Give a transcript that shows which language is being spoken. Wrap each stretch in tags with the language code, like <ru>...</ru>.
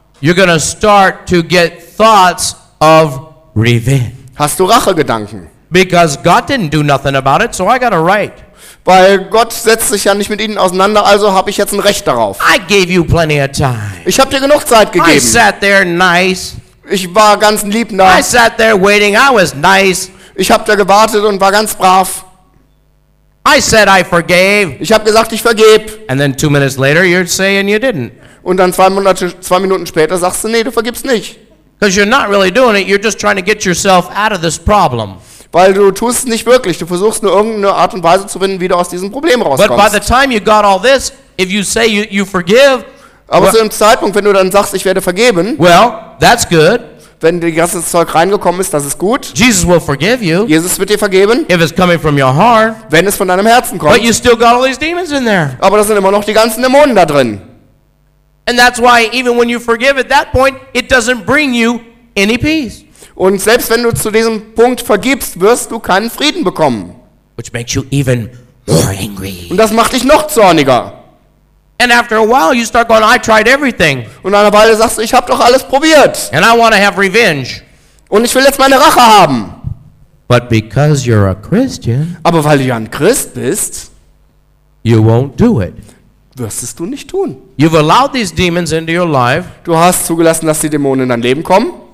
<en>you're gonna start to get thoughts of revenge.</en> <de>Hast du Rachegedanken?</de> <en>Because God didn't do nothing about it, so I got a right.</en> <de>Weil Gott setzt sich ja nicht mit ihnen auseinander, also habe ich jetzt ein Recht darauf.</de> <en>I gave you plenty of time.</en> <de>Ich habe dir genug Zeit gegeben.</de> <en>I sat there nice.</en> <de>Ich war ganz lieb</de> <en>nah. I sat there waiting. I was nice.</en> <de>Ich habe da gewartet und war ganz brav.</de> <en>I said I forgave.</en> <de>Ich habe gesagt, ich vergebe.</de> <en>And then 2 minutes later, you're saying you didn't.</en> <de>Und dann zwei Minuten später sagst du, nee, du vergibst nicht.</de> <en>Because you're not really doing it. You're just trying to get yourself out of this problem.</en> <de>Weil du tust es nicht wirklich. Du versuchst nur irgendeine Art und Weise zu finden, wie du aus diesem Problem rauskommst.</de> <en>But by the time you got all this, if you say you forgive.</en> <de>Aber zu dem Zeitpunkt, wenn du dann sagst, ich werde vergeben,</de> <en>well, that's good.</en> <de>Wenn dir das Zeug reingekommen ist, das ist gut.</de> <en>Jesus will forgive you.</en> <de>Jesus wird dir vergeben.</de> <en>If it's coming from your heart.</en> <de>Wenn es von deinem Herzen kommt.</de> <en>But you still got all these demons in there.</en> <de>Aber da sind immer noch die ganzen Dämonen da drin.</de> <en>And that's why even when you forgive at that point, it doesn't bring you any peace.</en> <de>Und selbst wenn du zu diesem Punkt vergibst, wirst du keinen Frieden bekommen.</de> <en>Which makes you even more angry.</en> <de>Und das macht dich noch zorniger.</de> <en>And after a while you start going, I tried everything.</en> <de>Und nach einer Weile sagst du, ich habe doch alles probiert.</de> <en>And I want to have revenge.</en> <de>Und ich will jetzt meine Rache haben.</de> <en>But because you're a Christian,</en> <de>aber weil du ja ein Christ bist,</de> <en>you won't do it.</en> <de>Wirst es du nicht tun.</de> <en>You've allowed these demons into your life.</en> <de>Du hast zugelassen, dass die Dämonen in dein Leben kommen.</de>